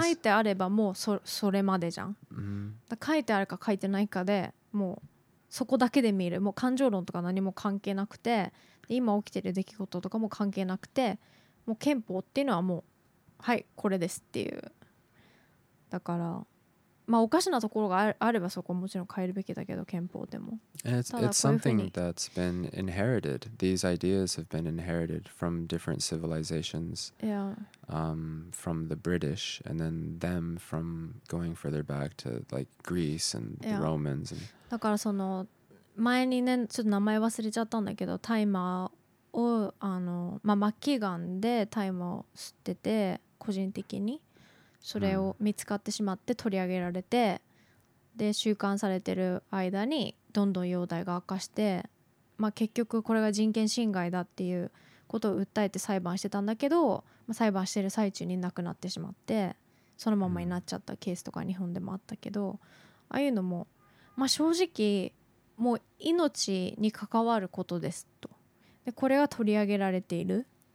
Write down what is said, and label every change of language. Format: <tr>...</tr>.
<ja>書いてあればもうそれまでじゃん。だ書いてあるか書いてないかでもうそこだけで見る。もう感情論とか何も関係なくて、で今起きてる出来事とかも関係なくて、もう憲法っていうのはもうはいこれですっていう。だからまあおかしなところがあればそこもちろん変えるべきだけど、憲法でも。</ja> <en>It's something that's been inherited. These ideas have been inherited from different civilizations. From the British and then them from going further back to like Greece and the Romans.</en> <ja>だからその前にね、ちょっと名前忘れちゃったんだけど、タイマーをまあ末期がんでタイマーを吸ってて、個人的にそれを見つかってしまって取り上げられて、で収監されてる間にどんどん容態が悪化して、まあ結局これが人権侵害だっていうことを訴えて裁判してたんだけど、まあ裁判してる最中に亡くなってしまって、そのままになっちゃったケースとか日本でもあったけど、ああいうのもまあ正直もう命に関わることですと、でこれが取り上げられている</ja>